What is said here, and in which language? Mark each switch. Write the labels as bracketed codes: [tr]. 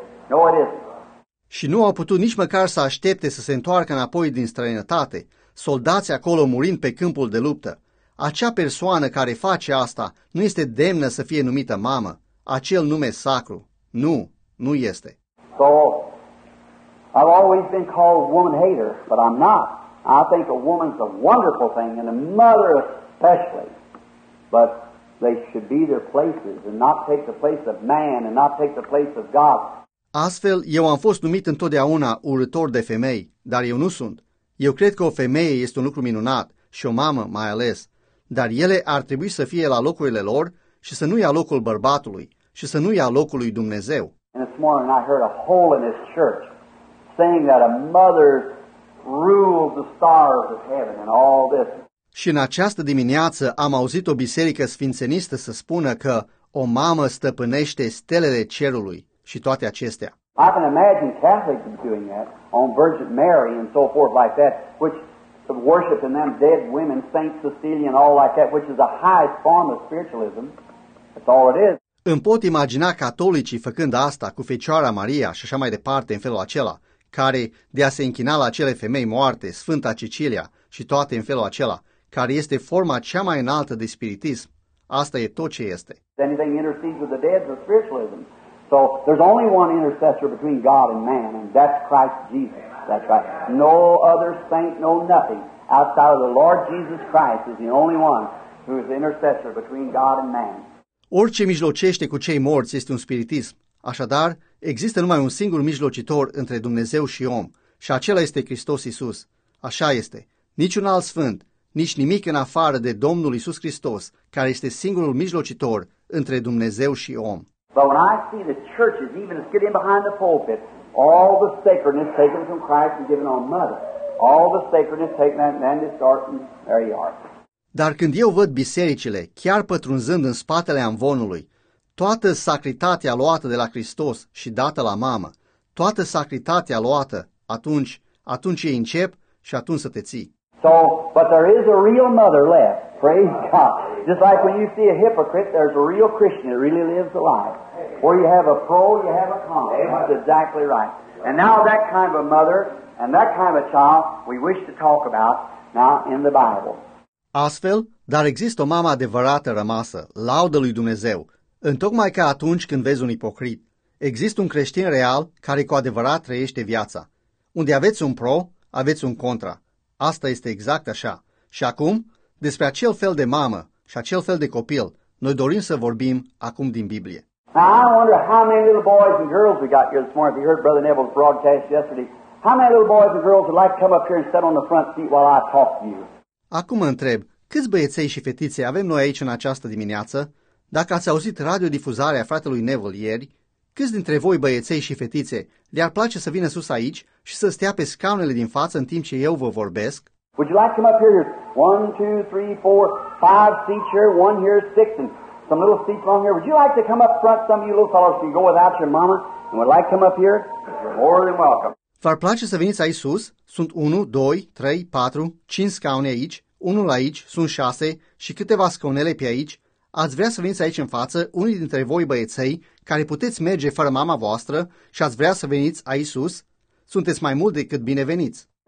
[en] No, it isn't. [ro] Și nu au putut nici măcar să aștepte să se întoarcă înapoi din străinătate, soldații acolo murind pe câmpul de luptă. Acea persoană care face asta nu este demnă să fie numită mamă, acel nume sacru. Nu, nu este. [en] So, I've always been called woman hater, but I'm not. I think a woman's a wonderful thing, and a mother especially. But they should be their places, and not take the place of man, and not take the place of God. [ro] Astfel, eu am fost numit întotdeauna urător de femei, dar eu nu sunt. Eu cred că o femeie este un lucru minunat, și o mamă mai ales. Dar ele ar trebui să fie la locurile lor și să nu ia locul bărbatului, și să nu ia locul lui Dumnezeu. [en] And this morning I heard a hole in this church saying that a mother's rules the stars of heaven and all this. [ro] Și în această dimineață am auzit o biserică sfințenistă să spună că o mamă stăpânește stelele cerului și toate acestea. [en] I can imagine Catholics doing that on Virgin Mary and so forth like that, which worship in them dead women, Saint Cecilia and all like that, which is the highest form of spiritualism. That's all it is. [ro] Îmi pot imagina catolicii făcând asta cu Fecioara Maria și așa mai departe în felul acela, care de a se închina la cele femei moarte, Sfânta Cecilia și toate în felul acela, care este forma cea mai înaltă de spiritism. Asta e tot ce este. [en] Anything intercedes with the dead is spiritualism. So there's only one intercessor between God and man, and that's Christ Jesus. That's right. No other saint, no nothing outside of the Lord Jesus Christ is the only one who is the intercessor between God and man. [ro] Orice mijlocește cu cei morți este un spiritism. Așadar, există numai un singur mijlocitor între Dumnezeu și om, și acela este Hristos Iisus. Așa este. Niciun alt sfânt, nici nimic în afară de Domnul Iisus Hristos, care este singurul mijlocitor între Dumnezeu și om. [en] But when I see the churches, even as getting behind the pulpit, all the sacredness taken from Christ and given on mother, all the sacredness taken and then distorted, there you are. [ro] Dar când eu văd bisericile, chiar pătrunzând în spatele amvonului, toată sacritatea luată de la Hristos și dată la mamă, toată sacritatea luată, atunci ei încep și atunci să te ții. [en] So, but there is a real mother left, praise God. Just like when you see a hypocrite, there's a real Christian that really lives a life. Where you have a pro, you have a con. That's exactly right. And now that kind of a mother and that kind of a child we wish to talk about now in the Bible. [ro] Astfel, dar există o mamă adevărată rămasă, laudă lui Dumnezeu. Întocmai ca atunci când vezi un ipocrit, există un creștin real care cu adevărat trăiește viața. Unde aveți un pro, aveți un contra. Asta este exact așa. Și acum, despre acel fel de mamă și acel fel de copil, Noi dorim să vorbim acum din Biblie. [en] Now, I wonder how many little boys and girls we got here this morning. If you heard Brother Neville's broadcast yesterday, how many little boys and girls would like to come up here and sit on the front seat while I talk to you? [ro] Acum mă întreb, câți băieței și fetițe avem noi aici în această dimineață? Dacă ați auzit radiodifuzarea fratelui Neville ieri, câți dintre voi băieței și fetițe le-ar place să vină sus aici și să stea pe scaunele din față în timp ce eu vă vorbesc? [en] Would you like to come up here? There's 1, 2, 3, 4, 5 seats here, one here, 6, and some little seats along here. Would you like to come up front, some of you little fellows, so you go without your mama, and would like to come up here? You're more than welcome. [ro] V-ar place să veniți aici sus? Sunt 1, 2, 3, 4, 5 scaune aici, unul aici, sunt 6 și câteva scaunele pe aici. Ați vrea să veniți aici în față, unii dintre voi băieței, care puteți merge fără mama voastră și ați vrea să veniți aici sus? Sunteți mai mult decât bineveniți.